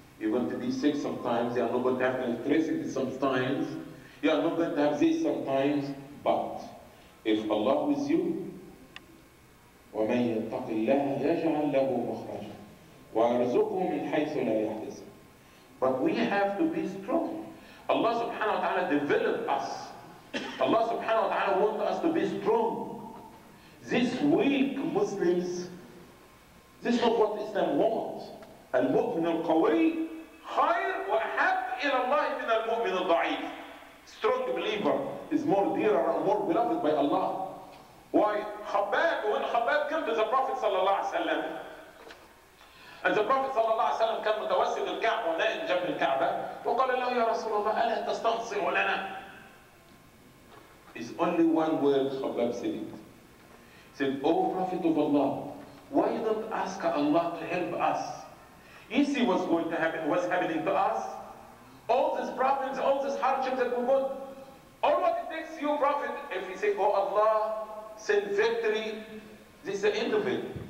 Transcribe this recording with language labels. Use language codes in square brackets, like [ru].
[en] You're going to be sick sometimes, you are not going to have electricity sometimes, you are not going to have this sometimes, but if Allah with you, [ar] وَمَنْ يَتَّقِ اللَّهَ يَجْعَلْ لَهُ مُخْرَجًا وَأَرْزُقُهُ مِنْ حَيْثُ لَا يَحْتَسِبُ. [en] But we have to be strong. Allah subhanahu wa ta'ala developed us. Allah subhanahu wa ta'ala wants us to be strong. These weak Muslims, this is not what Islam wants. [ar] المؤمن القوي خير وأحب إلى الله من المؤمن الضعيف. [en] Strong believer is more dearer and more beloved by Allah. Why? Khabbab, when Khabbab came to the Prophet صلى الله عليه وسلم, and the Prophet صلى الله عليه وسلم [ar] كان متوسد الكعبة ونائم جنب الكعبة, وقال له يا رسول الله ألا تستنصر لنا؟ [en] It's only one word Khabbab said it. He said, oh Prophet of Allah, why you don't ask Allah to help us? You see what's going to happen, what's happening to us? All these problems, all these hardships that we want. All what it takes you, Prophet, if you say, oh Allah, send victory, this is the end of it.